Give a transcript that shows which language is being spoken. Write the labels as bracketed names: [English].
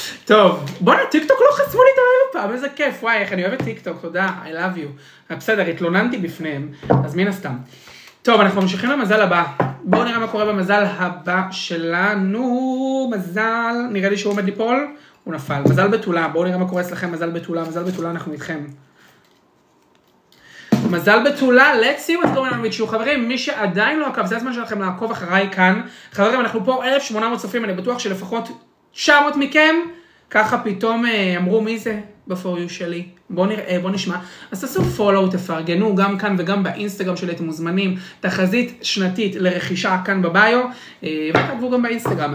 [Hebrew] טוב, בוא נה, טיק טוק לא חסמו לי את הלילה פעם, איזה כיף, וואי, איך אני אוהבת טיק טוק, תודה, [English] I love you. [Hebrew] בסדר, התלוננתי בפניהם, אז מן הסתם. טוב, אנחנו ממשיכים למזל הבא, בואו נראה מה קורה במזל הבא שלנו, מזל, נראה לי שהוא עומד ליפול, הוא נפל, מזל בתולה, בואו נראה מה קורה אצלכם, מזל בתולה, מזל בתולה, אנחנו איתכם. [English] מזל בתולה, let's see what's going on with you. [Hebrew] חברים, מי שעדיין לא עקב, זה הזמן שלכם לעקוב אחריי כאן. חברים, אנחנו פה 1,800 צופים, אני בטוח שלפחות 900 מכם, ככה פתאום אמרו מי זה ב-for you שלי. בוא נראה, בוא נשמע. אז תעשו follow, תפרגנו גם כאן וגם באינסטגרם שלי, אתם מוזמנים, תחזית שנתית לרכישה כאן בביו, ותעקבו גם באינסטגרם.